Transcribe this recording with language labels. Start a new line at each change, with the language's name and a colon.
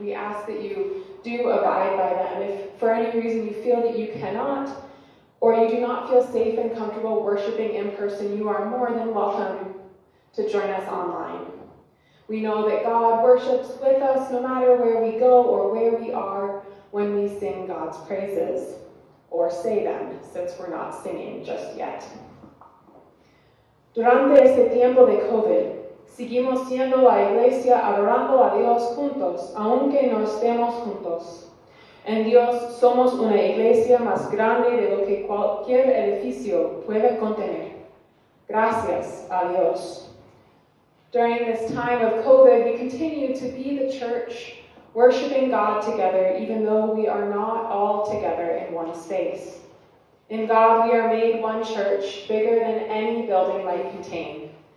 English: We ask that you do abide by them. If for any reason you feel that you cannot, or you do not feel safe and comfortable worshiping in person, you are more than welcome to join us online. We know that God worships with us no matter where we go or where we are when we sing God's praises, or say them, since we're not singing just yet.
Spanish: Durante este tiempo de COVID, seguimos siendo la iglesia adorando a Dios juntos, aunque no estemos juntos. En Dios somos una iglesia más grande de lo que cualquier edificio puede contener. Gracias a Dios.
English: During this time of COVID, we continue to be the church, worshiping God together, even though we are not all together in one space. In God, we are made one church, bigger than any building might contain.